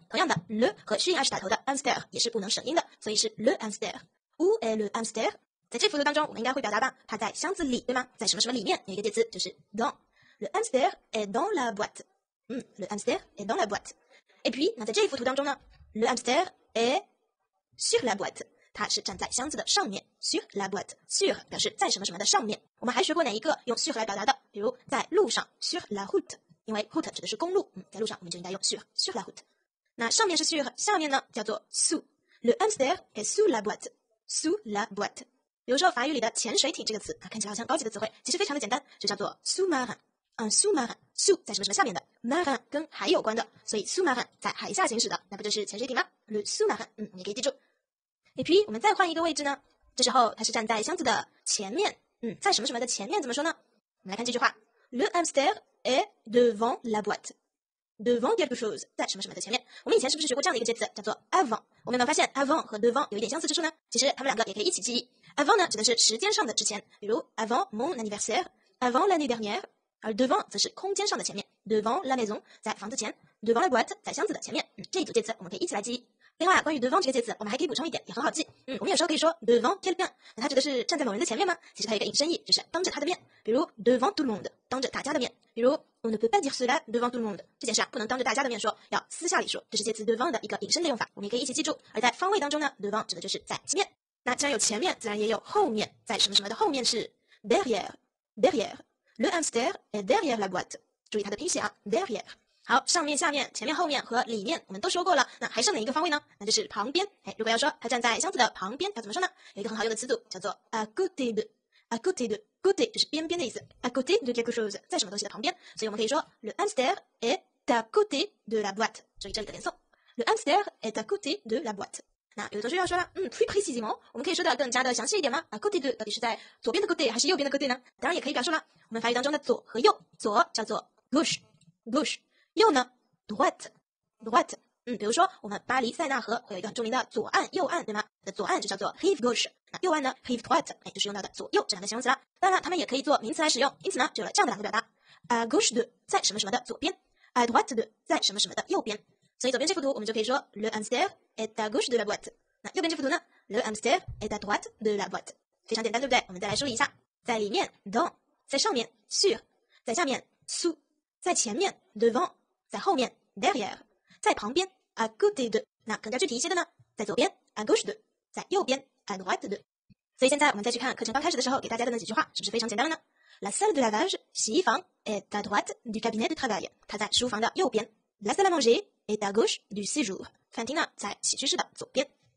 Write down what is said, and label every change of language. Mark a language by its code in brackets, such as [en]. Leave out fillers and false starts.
[zh] 同样的 le 和虚音 h 打头的 hamster 也是不能省音的，所以是 le hamster。 [fr] Où est le hamster？ [zh] 在这幅图当中我们应该会表达吧，它在箱子里，对吗？在什么什么里面，有一个介词就是 dans。 [fr] Le hamster est dans la boîte。 Le hamster est dans la boîte。 Et puis 那在这幅图当中呢， le hamster [zh] 诶 sur la boîte，它是站在箱子的上面。 sur la boîte， sur 表示在什么什么的上面。我们还学过哪一个用 sur 来表达的？比如在路上 sur la route，因为 route 指的是公路，在路上我们就应该用 sur la route。那上面是 sur， 下面呢叫做 sous。 [fr] Le hamster est sous la boîte， sous la boîte。 [zh] 比如说法语里的潜水艇这个词啊，看起来好像高级的词汇，其实非常的简单，就叫做 sous-marin。 sous-marin， sous 在什么什么下面的 ，marin 跟海有关的，所以 sous-marin 在海下行驶的，那不就是潜水艇吗 ？ Le sous-marin，你可以记住。 Et puis， 我们再换一个位置呢，这时候它是站在箱子的前面，在什么什么的前面怎么说呢？ [fr] 我们来看这句话，Le hamster est devant la boîte。 [zh] Devant quelque chose， 在什么什么的前面。我们以前是不是学过这样的一个介词，叫做 avant？我们有没有发现 avant 和 devant 有一点相似之处呢？其实他们两个也可以一起记忆。 Avant 呢，指的是时间上的之前，比如 avant mon anniversaire， avant l'année dernière。而 devant 则是空间上的前面 ， devant la maison 在房子前 ， devant la boîte 在箱子的前面。这一组介词我们可以一起来记忆。另外，关于 devant 这个介词，我们还可以补充一点，也很好记。我们有时候可以说 devant quelqu'un， 那它指的是站在某人的前面吗？其实它有一个引申义，就是当着他的面。比如 devant tout le monde，当着大家的面。比如 on ne peut pas dire cela devant tout le monde，这件事啊不能当着大家的面说，要私下里说。这是介词 devant 的一个引申的用法，我们也可以一起记住。而在方位当中呢 ，devant 指的就是在前面。那既然有前面，自然也有后面，在什么什么的后面是 derrière。 [fr] Le hamster est derrière la boîte。注意它的拼写啊，derrière。 [zh] 好，上面、下面、前面、后面和里面，我们都说过了。那还剩哪一个方位呢？那就是旁边。如果要说它站在箱子的旁边，要怎么说呢？有一个很好用的词组叫做 à côté de。 à côté de， côté 就是边边的意思。 à côté de quelque chose， 在什么东西的旁边。 [fr] 所以我们可以说 Le hamster est à côté de la boîte。 [zh] 注意这里的连诵。 [fr] Le hamster est à côté de la boîte。 [zh] 那有的同学要说了， plus précisément，我们可以说的更加的详细一点吗？啊 ，côté de 到底是在左边的 côté 还是右边的 côté 呢？当然也可以表述了，我们法语当中的左和右，左叫做 gauche， 右呢 droite， 比如说我们巴黎塞纳河会有一个很著名的左岸、右岸，对吗？那左岸就叫做 rive gauche， 那右岸呢 rive droite， 就是用到的左右这两个形容词了。当然，它们也可以做名词来使用，因此呢，就有了这样的两个表达 ： à gauche de 在什么什么的左边 ， à droite de 在什么什么的右边。 [fr] 所以左边这幅图我们就可以说 Le hamster est à gauche de la boîte。那右边这幅图呢 Le hamster est à droite de la boîte。 [zh] 非常简单，对不对？我们再来梳理一下，在里面 dans， 在上面 sur， 在下面 sous， 在前面 devant， 在后面 derrière， 在旁边 à côté de。那更加具体一些的呢，在左边 à gauche de， 在右边 à droite de。所以现在我们再去看课程刚开始的时候给大家的那几句话，是不是非常简单了呢？ [fr] La salle de lavage，洗衣房 est à droite du cabinet de travail，它在书房的右边。 La salle à mangerEt à gauche du séjour，饭厅呢在起居室的左边。